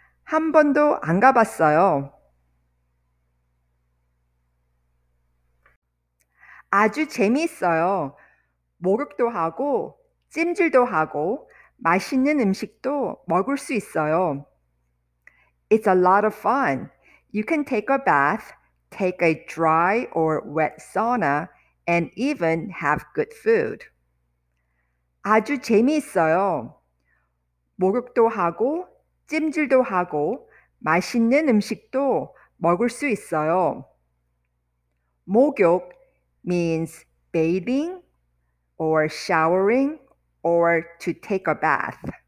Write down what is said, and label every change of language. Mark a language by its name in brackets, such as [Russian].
[Korean] 한 번도 안 가봤어요. 아주 재미있어요. 목욕도 하고 찜질도 하고 맛있는 음식도 먹을 수 있어요. [English] It's a lot of fun. You can take a bath, take a dry or wet sauna, and even have good food. [Korean] 아주 재미있어요. 목욕도 하고 찜질도 하고 맛있는 음식도 먹을 수 있어요. [English] 목욕 means bathing or showering, or to take a bath.